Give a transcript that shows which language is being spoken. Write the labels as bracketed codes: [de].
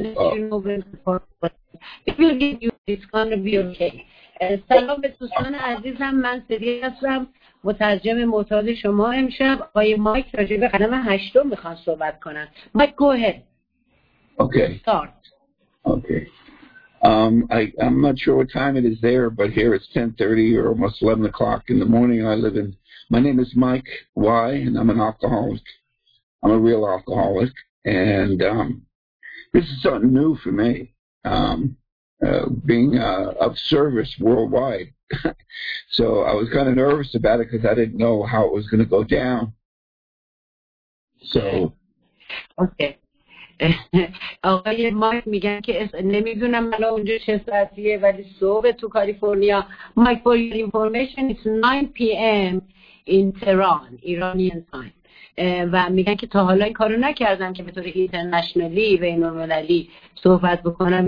[en] can let you know when to talk, but if you get used, it's going to be okay. [fa] سلام به دوستان عزیزم، من سری هستم، مترجم معتاد شما امشب. آقای مایک راجع به قدم هشتم میخوان صحبت کنن. [en] Mike go ahead. Okay start. Okay I'm not sure what time it is there, but here it's 10:30 or almost 11 o'clock in the morning. I live in, my name is Mike Y, and I'm an alcoholic. I'm a real alcoholic, and this is something new for me. Being of service worldwide. So I was kind of nervous about it because I didn't know how it was going to go down. So. Okay. [fa] آقای مایک میگن که نمیدونم الان اونجا چه ساعتیه، ولی صبح تو کالیفرنیا. مایک فور یور انفورمیشن ایتس 9 پی ام این تهران ایرانیان تایم، و میگن که تا حالا این کارو نکردم که به طور اینترنشنالی و بین‌المللی صحبت بکنم.